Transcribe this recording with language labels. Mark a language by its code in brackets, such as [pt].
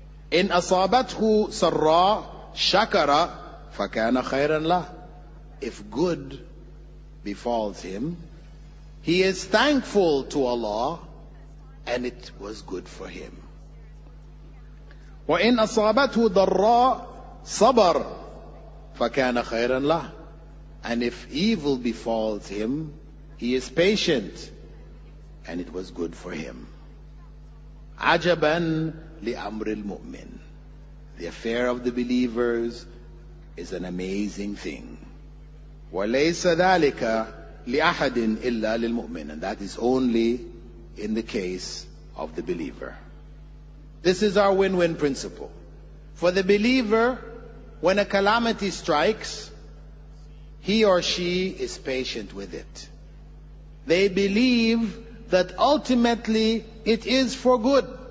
[ar] إِنْ أَصَابَتْهُ سَرَّى شَكَرَ فَكَانَ خَيْرًا لَهُ. [en] If good befalls him, he is thankful to Allah, and it was good for him. [ar] وإن أصابته ضراء صبر فكان خيرا له. [en] And if evil befalls him, he is patient, and it was good for him. [ar] عجبا لأمر المؤمن. [en] The affair of the believers is an amazing thing. [ar] وليس ذلك لأحد إلا للمؤمن. [en] And that is only in the case of the believer. This is our win-win principle. For the believer, when a calamity strikes, he or she is patient with it. They believe that ultimately it is for good.